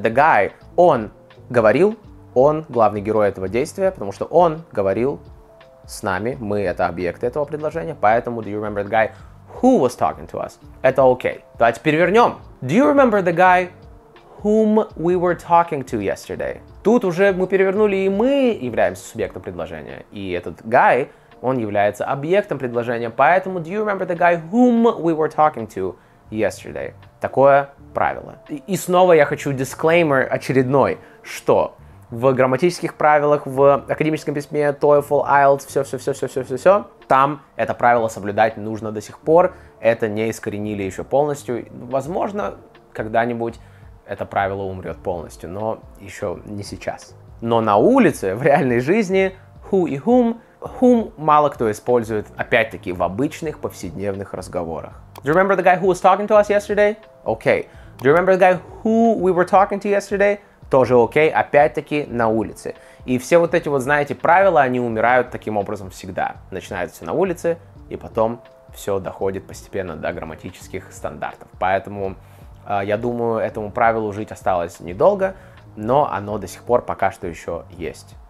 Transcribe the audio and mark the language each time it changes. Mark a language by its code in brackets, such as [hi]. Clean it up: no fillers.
[ru] The guy, он говорил, он главный герой этого действия, потому что он говорил с нами, мы это объект этого предложения, поэтому [en] do you remember the guy who was talking to us? [ru] Это окей. Давайте перевернем. [en] Do you remember the guy whom we were talking to yesterday? [ru] Тут уже мы перевернули, и мы являемся субъектом предложения. И этот guy, он является объектом предложения, поэтому [en] do you remember the guy whom we were talking to yesterday? [ru] Такое правило. И снова я хочу disclaimer очередной, что в грамматических правилах, в академическом письме, TOEFL, IELTS, все-все-все-все-все-все-все. Там это правило соблюдать нужно до сих пор. Это не искоренили еще полностью. Возможно, когда-нибудь это правило умрет полностью, но еще не сейчас. Но на улице, в реальной жизни, who и whom whom мало кто использует, опять-таки, в обычных повседневных разговорах. [en] Do you remember the guy who was talking to us yesterday? Okay. Do you remember the guy who we were talking to yesterday? [ru] Тоже окей, опять-таки, на улице. И все вот эти вот, знаете, правила, они умирают таким образом всегда. Начинается на улице, и потом все доходит постепенно до грамматических стандартов. Поэтому, я думаю, этому правилу жить осталось недолго, но оно до сих пор пока что еще есть.